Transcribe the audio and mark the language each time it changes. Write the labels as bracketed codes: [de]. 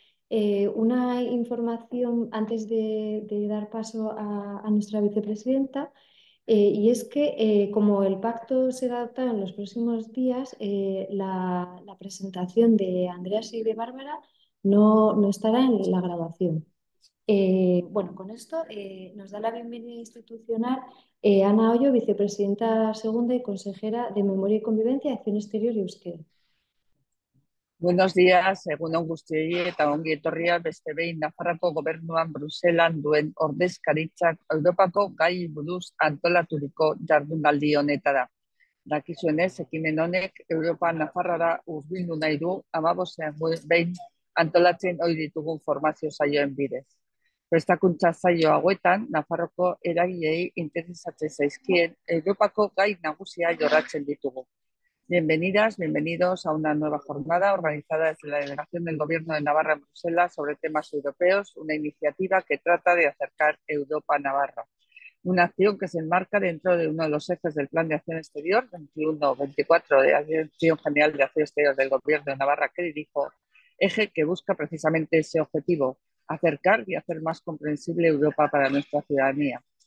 [es] Una información antes de dar paso a nuestra vicepresidenta, y es que como el pacto será adoptado en los próximos días, la presentación de Andreas y de Bárbara no estará en la graduación. Bueno, con esto nos da la bienvenida institucional Ana Ayo, vicepresidenta segunda y consejera de Memoria y Convivencia, Acción Exterior y Euskera. Buenos días, [eu] egun on guztioi eta ongi etorria beste behin Nafarroako gobernuan Bruselan duen ordezkaritzak Europako gai buruz antolaturiko jardunaldi honetara. Dakizuenez, ekimen honek Europa Nafarrara hurbildu nahi du 15ean behin antolatzen ohi ditugun formazio saioen bidez. Prestakuntza saio hauetan, Nafarroko eragileei interesatzen zaizkien Europako gai nagusia jorratzen ditugu. [es] Bienvenidas, bienvenidos a una nueva jornada organizada desde la Delegación del Gobierno de Navarra en Bruselas sobre temas europeos, una iniciativa que trata de acercar Europa a Navarra. Una acción que se enmarca dentro de uno de los ejes del Plan de Acción Exterior 21-24 de la Dirección General de Acción Exterior del Gobierno de Navarra que dirijo, eje que busca precisamente ese objetivo, acercar y hacer más comprensible Europa para nuestra ciudadanía.